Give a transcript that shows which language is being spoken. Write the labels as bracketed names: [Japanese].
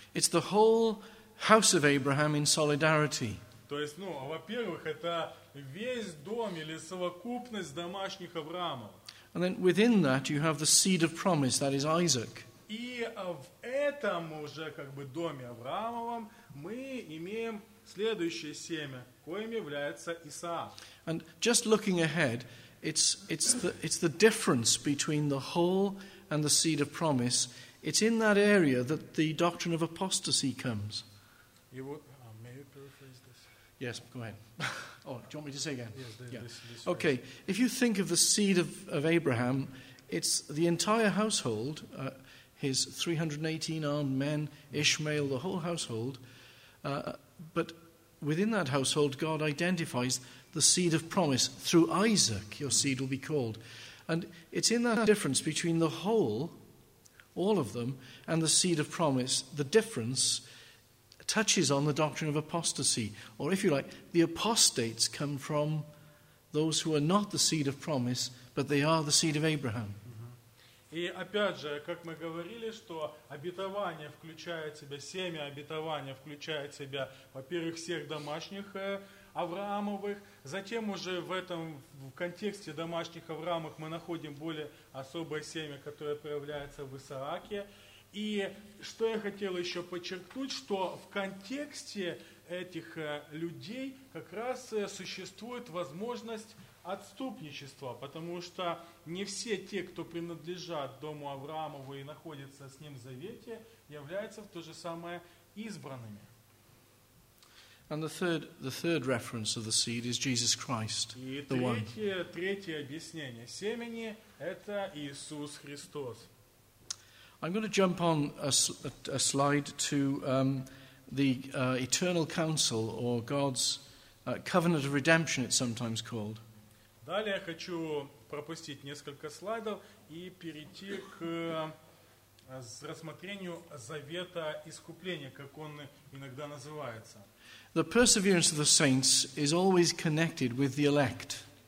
[English] It's the whole house of Abraham in solidarity. [Russian] То есть, ну, во-первых, это весь дом или совокупность домашних Авраамов. [English] And then within that you have the seed of promise, that is Isaac. [Russian] И в этом уже как бы доме Авраамовом мы имеем следующее семя, коим является Исаак. [English] And just looking ahead, it's the difference between the whole and the seed of promise. It's in that area that the doctrine of apostasy comes. May I paraphrase this? Yes, go ahead. Oh, do you want me to say again? Yes. This okay, phrase. If you think of the seed of Abraham, it's the entire household, his 318 armed men, Ishmael, the whole household. But within that household, God identifies the seed of promise. Through Isaac, your seed will be called. And it's in that difference between the whole, all of them, and the seed of promise, the difference touches on the doctrine of apostasy. Or if you like, the apostates come from those who are not the seed of promise, but they are the seed of Abraham. [Russian] И опять же, как мы говорили, что обетование включает в себя, семя обетования включает в себя, во-первых, всех домашних Авраамовых. Затем уже в этом, в контексте домашних Авраамовых мы находим более особое семя, которое проявляется в Исааке. И что я хотел еще подчеркнуть, что в контексте этих людей как раз существует возможность отступничества, потому что не все те, кто принадлежат дому Авраамову и находятся с ним в завете, являются в то же самое избранными. [English] And the third reference of the seed is Jesus Christ, the one. [Russian] И третье объяснение семени – это Иисус Христос. [English] I'm going to jump on a slide to the eternal counsel or God's covenant of redemption, it's sometimes called. [Russian] Далее я хочу пропустить несколько слайдов и перейти к рассмотрению завета искупления, как он иногда называется. [English] The perseverance of the saints is always connected with the elect.